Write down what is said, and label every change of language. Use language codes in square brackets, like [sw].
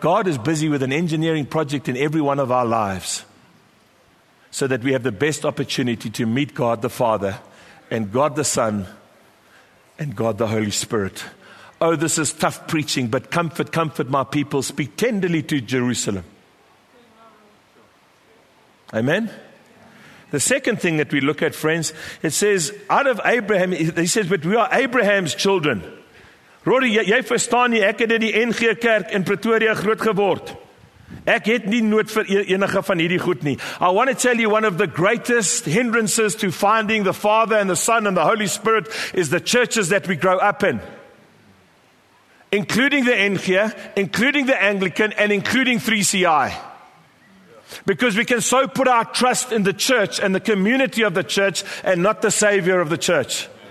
[en] God is busy with an engineering project in every one of our lives so that we have the best opportunity to meet God the Father and God the Son and God the Holy Spirit. Oh, this is tough preaching, but comfort, comfort my people. Speak tenderly to Jerusalem. Amen? The second thing that we look at, friends, it says, out of Abraham, he says, but we are Abraham's children. [af] Rory, jy verstaan nie, ek het in die NG Kerk in Pretoria groot geword. Ek het nie nood vir enige van hierdie goed nie. [en] I want to tell you, one of the greatest hindrances to finding the Father and the Son and the Holy Spirit is the churches that we grow up in. Including the NG, including the Anglican, and including 3CI. Because we can so put our trust in the church and the community of the church and not the Savior of the church.